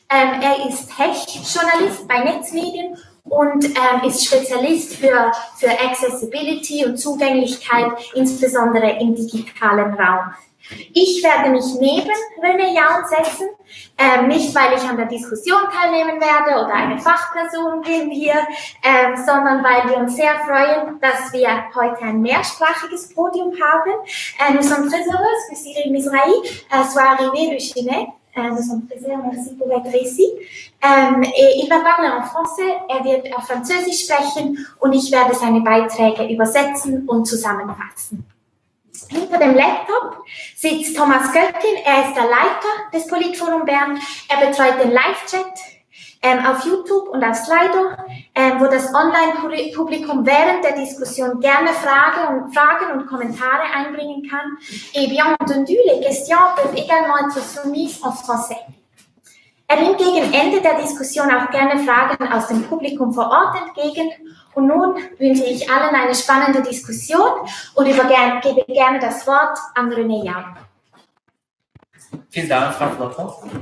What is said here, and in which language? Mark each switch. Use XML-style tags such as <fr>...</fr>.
<de>Er ist Tech-Journalist bei Netzmedien und ist Spezialist für Accessibility und Zugänglichkeit, insbesondere im digitalen Raum. Ich werde mich neben René Jaun setzen, nicht weil ich an der Diskussion teilnehmen werde oder eine Fachperson bin hier, sondern weil wir uns sehr freuen, dass wir heute ein mehrsprachiges Podium haben.</de> <fr>Nous sommes très heureux, que Cyril Misrahi soit arrivé de Chine. Nous sommes très heureux, merci pour être ici. Et il va parler en français,</fr> <de>er wird auf Französisch sprechen und ich werde seine Beiträge übersetzen und zusammenfassen. Hinter dem Laptop sitzt Thomas Göttin, er ist der Leiter des Politforum Bern. Er betreut den Live-Chat auf YouTube und auf Slido, wo das Online-Publikum während der Diskussion gerne Fragen und Kommentare einbringen kann.</de> <fr>Et bien entendu, les questions peuvent également être soumises en français.</fr> <de>Er nimmt gegen Ende der Diskussion auch gerne Fragen aus dem Publikum vor Ort entgegen. Und nun wünsche ich allen eine spannende Diskussion und gebe gerne das Wort an René Jaun. Vielen Dank, Frau Flotter.</de>